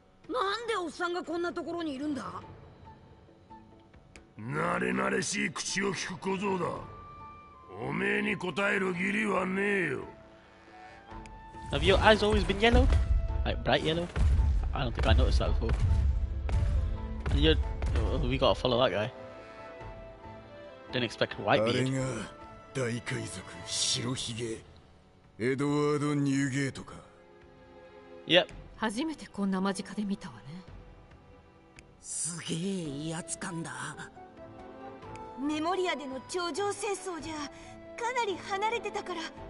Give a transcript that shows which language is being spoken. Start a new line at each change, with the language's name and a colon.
Japanese: なんでおっさんがこんなところにいるんだ？なれなれしい口を聞く小僧だ。おめえに答える義理はねえよ。
English: Have your eyes always been yellow? Like bright yellow? I don't think I noticed that before. And we gotta follow that guy. Didn't expect a white beard.
Japanese: あれが大海賊白ひげエドワード・ニューゲートか。
English: Yep.
Japanese: 初めてこんな間近で見たわね。すげえ威圧感だ。メモリアでの頂上戦争じゃかなり離れてたから。